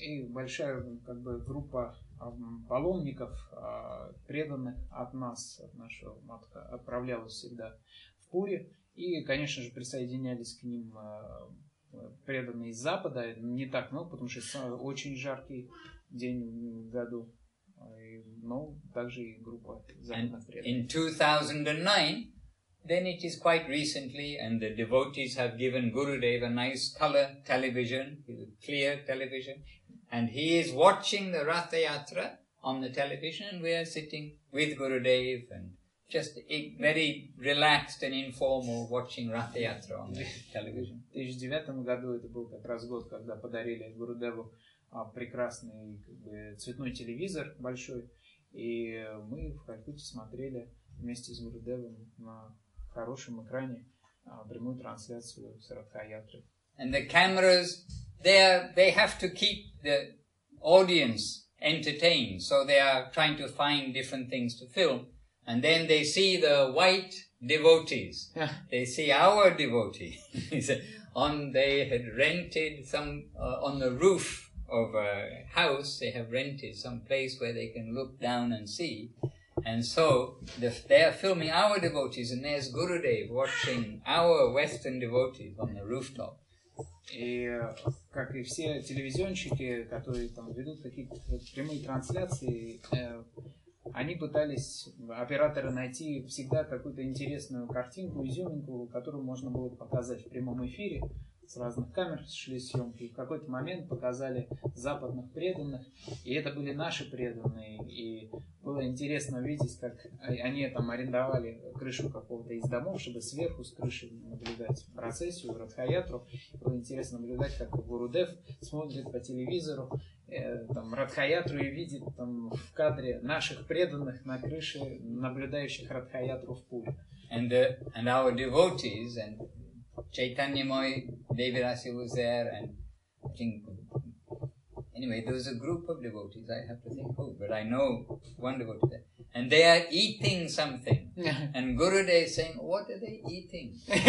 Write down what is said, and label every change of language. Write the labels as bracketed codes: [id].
[ru] И большая как бы группа паломников, преданных от нас, от нашего матха, отправлялась всегда в Пури. И, конечно же, присоединялись к ним преданные из Запада. Не так много, потому что очень жаркий день в году. Но также и группа западных преданных. [en] In 2009, then it is quite recently, and the devotees have given Gurudev a nice color television, clear television, and he is watching the Rath Yatra on the television, and we are sitting with Gurudev and just very relaxed and informal watching Rath Yatra on the television. [ru] В 2009 году это был как раз год, когда подарили Гурудеву прекрасный цветной телевизор большой, и мы в Калькутте смотрели вместе с Гурудевом на хорошем экране прямую трансляцию с Радхаятры. [en] And the cameras, they have to keep the audience entertained, so they are trying to find different things to film, and then they see the white devotees, they see our devotee, they had rented some on the roof of a house, they have rented some place where they can look down and see. And so, they are filming our devotees, and there's Gurudev watching our Western devotees on the rooftop. [ru] И, как и все телевизионщики, которые там ведут какие-то прямые трансляции, они пытались, операторы, найти всегда какую-то интересную картинку, изюминку, которую можно было показать в прямом эфире. С разных камер шли съемки, и в какой-то момент показали западных преданных, и это были наши преданные, и было интересно видеть, как они там арендовали крышу какого-то из домов, чтобы сверху с крыши наблюдать процессию, Радхаятру. Было интересно наблюдать, как Гурудев смотрит по телевизору там Радхаятру и видит там в кадре наших преданных на крыше, наблюдающих Радхаятру в Пуре. [en] And our devotees and Chaitanya Moy, Devirasi was there, and I think, anyway, there was a group of devotees, I have to think, oh, but I know one devotee there. And they are eating something, and Gurudev is saying, what are they eating?